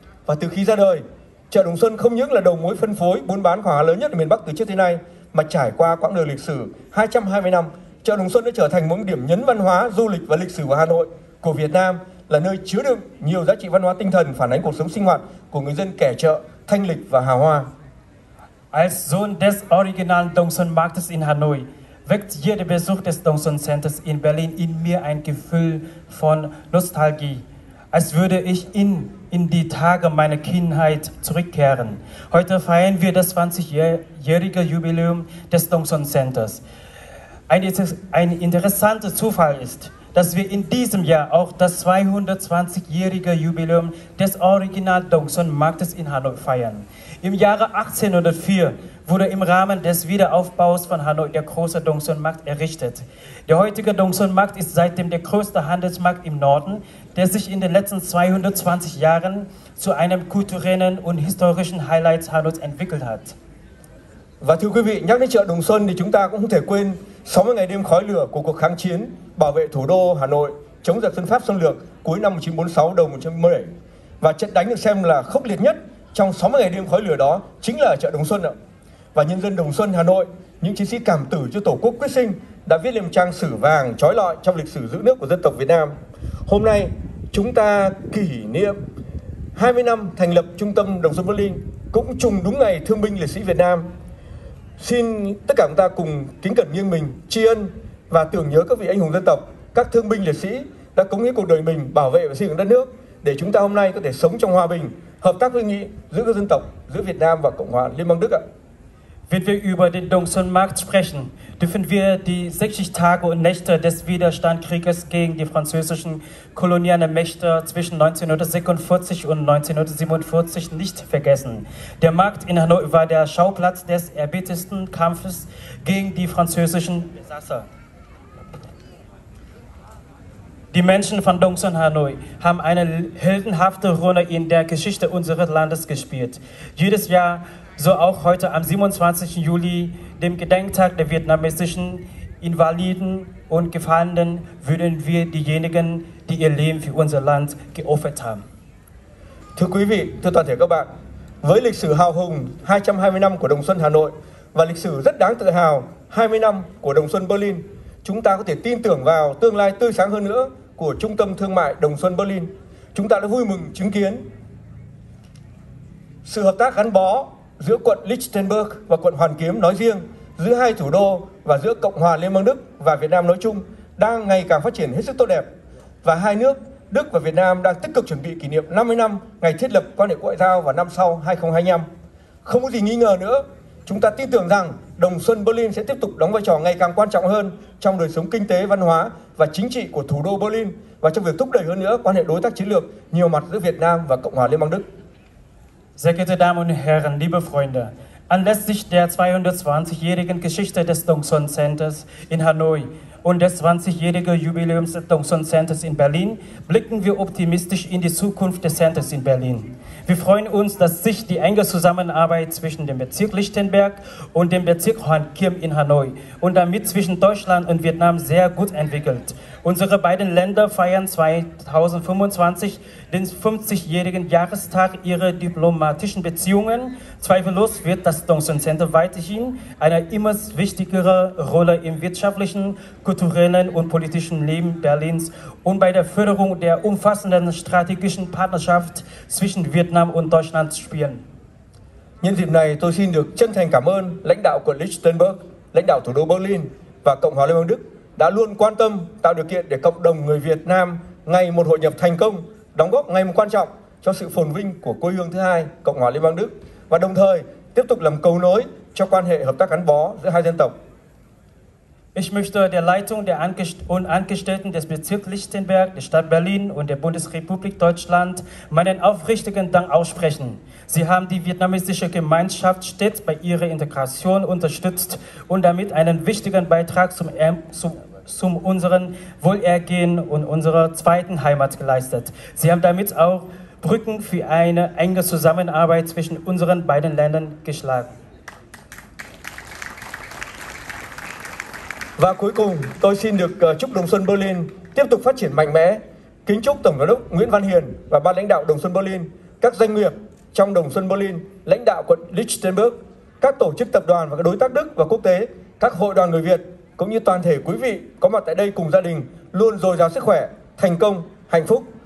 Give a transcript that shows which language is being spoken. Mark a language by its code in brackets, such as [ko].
[vi] Và từ khi ra đời, chợ Đồng Xuân không những là đầu mối phân phối buôn bán hàng hóa lớn nhất ở miền Bắc từ trước tới nay, mà trải qua quãng đời lịch sử 220 năm, chợ Đồng Xuân đã trở thành một điểm nhấn văn hóa, du lịch và lịch sử của Hà Nội, của Việt Nam, là nơi chứa đựng nhiều giá trị văn hóa tinh thần phản ánh cuộc sống sinh hoạt của người dân kẻ chợ thanh lịch và hào hoa. [de] Als Sohn des originalen Dongson-Marktes in Hanoi weckt jeder Besuch des Dongson-Centers in Berlin in mir ein Gefühl von Nostalgie, als würde ich in die Tage meiner Kindheit zurückkehren. Heute feiern wir das 20-jährige Jubiläum des Dongson-Centers. Ein interessanter Zufall ist, dass wir in diesem Jahr auch das 220-jährige Jubiläum des Original Dongson-Marktes in Hanoi feiern. Im Jahre 1804 wurde im Rahmen des Wiederaufbaus von Hanoi der große Dongson-Markt errichtet. Der heutige Dongson-Markt ist seitdem der größte Handelsmarkt im Norden, der sich in den letzten 220 Jahren zu einem kulturellen und historischen Highlight Hanois entwickelt hat. [vi] Và thưa quý vị, nhắc đến chợ Đồng Xuân thì chúng ta cũng không thể quên 60 ngày đêm khói lửa của cuộc kháng chiến bảo vệ thủ đô Hà Nội chống giặc dân Pháp xâm lược cuối năm 1946 đầu 1917. Và trận đánh được xem là khốc liệt nhất trong 60 ngày đêm khói lửa đó chính là ở chợ Đồng Xuân ạ. Và nhân dân Đồng Xuân Hà Nội, những chiến sĩ cảm tử cho Tổ quốc quyết sinh đã viết lên trang sử vàng chói lọi trong lịch sử giữ nước của dân tộc Việt Nam. Hôm nay chúng ta kỷ niệm 20 năm thành lập trung tâm Đồng Xuân Berlin, cũng trùng đúng ngày Thương binh Liệt sĩ Việt Nam. Xin tất cả chúng ta cùng kính cẩn nghiêng mình tri ân và tưởng nhớ các vị anh hùng dân tộc, các thương binh liệt sĩ đã cống hiến cuộc đời mình bảo vệ và xây dựng đất nước để chúng ta hôm nay có thể sống trong hòa bình, hợp tác hữu nghị giữa các dân tộc, giữa Việt Nam và Cộng hòa Liên bang Đức ạ. [de] Wenn wir über den Dongson-Markt sprechen, dürfen wir die 60 Tage und Nächte des Widerstandskrieges gegen die französischen kolonialen Mächte zwischen 1946 und 1947 nicht vergessen. Der Markt in Hanoi war der Schauplatz des erbittersten Kampfes gegen die französischen Besatzer. Die Menschen von Dongson Hanoi haben eine heldenhafte Rolle in der Geschichte unseres Landes gespielt. Jedes Jahr, so auch heute am 27. Juli, dem Gedenktag der vietnamesischen Invaliden und Gefallenen würden wir diejenigen, die ihr Leben für unser Land geopfert haben. [vi] Thưa quý vị, thưa toàn thể các bạn, với lịch sử hào hùng 220 năm của Đồng Xuân Hà Nội và lịch sử rất đáng tự hào 20 năm của Đồng Xuân Berlin, chúng ta có thể tin tưởng vào tương lai tươi sáng hơn nữa của Trung tâm Thương mại Đồng Xuân Berlin. Chúng ta đã vui mừng chứng kiến sự hợp tác gắn bó giữa quận Lichtenberg và quận Hoàn Kiếm nói riêng, giữa hai thủ đô và giữa Cộng hòa Liên bang Đức và Việt Nam nói chung đang ngày càng phát triển hết sức tốt đẹp. Và hai nước Đức và Việt Nam đang tích cực chuẩn bị kỷ niệm 50 năm ngày thiết lập quan hệ ngoại giao vào năm sau 2025. Không có gì nghi ngờ nữa, chúng ta tin tưởng rằng Đồng Xuân Berlin sẽ tiếp tục đóng vai trò ngày càng quan trọng hơn trong đời sống kinh tế, văn hóa và chính trị của thủ đô Berlin và trong việc thúc đẩy hơn nữa quan hệ đối tác chiến lược nhiều mặt giữa Việt Nam và Cộng hòa Liên bang Đức. [de] Sehr geehrte Damen und Herren, liebe Freunde, anlässlich der 220-jährigen Geschichte des Đồng Xuân Centers in Hanoi und des 20-jährigen Jubiläums des Đồng Xuân Centers in Berlin blicken wir optimistisch in die Zukunft des Centers in Berlin. Wir freuen uns, dass sich die enge Zusammenarbeit zwischen dem Bezirk Lichtenberg und dem Bezirk Hoàn Kiếm in Hanoi und damit zwischen Deutschland und Vietnam sehr gut entwickelt. Unsere beiden Länder feiern 2025 den 50-jährigen Jahrestag ihrer diplomatischen Beziehungen. Zweifellos wird das Đồng Xuân Center weiterhin eine immer wichtigere Rolle im wirtschaftlichen, kulturellen und politischen Leben Berlins und bei der Förderung der umfassenden strategischen Partnerschaft zwischen Vietnam und Deutschland spielen. [vi] Nhân dịp này, tôi xin được chân thành cảm ơn lãnh đạo của Lichtenberg, lãnh đạo thủ đô Berlin và Cộng hòa Liên bang Đức đã luôn quan tâm tạo điều kiện để cộng đồng người Việt Nam ngày một hội nhập thành công, đóng góp ngày một quan trọng cho sự phồn vinh của quê hương thứ hai, Cộng hòa Liên bang Đức và đồng thời tiếp tục làm cầu nối cho quan hệ hợp tác gắn bó giữa hai dân tộc. [de] Ich möchte der Leitung der Angestellten des Bezirks Lichtenberg, der Stadt Berlin und der Bundesrepublik Deutschland meinen aufrichtigen Dank aussprechen. Sie haben die vietnamesische Gemeinschaft stets bei ihrer Integration unterstützt und damit einen wichtigen Beitrag zum unseren Wohlergehen und unserer zweiten Heimat geleistet. Sie haben damit auch Brücken für eine enge Zusammenarbeit zwischen unseren beiden Ländern geschlagen. [vi] Và cuối cùng, tôi xin được chúc Đồng Xuân Berlin tiếp tục phát triển mạnh mẽ. Kính chúc Tổng giám đốc Nguyễn Văn Hiền và ban lãnh đạo Đồng Xuân Berlin, các doanh nghiệp trong Đồng Xuân Berlin, lãnh đạo quận Lichtenberg, các tổ chức tập đoàn và các đối tác Đức và quốc tế, các hội đoàn người Việt, cũng như toàn thể quý vị có mặt tại đây cùng gia đình, luôn dồi dào sức khỏe, thành công, hạnh phúc.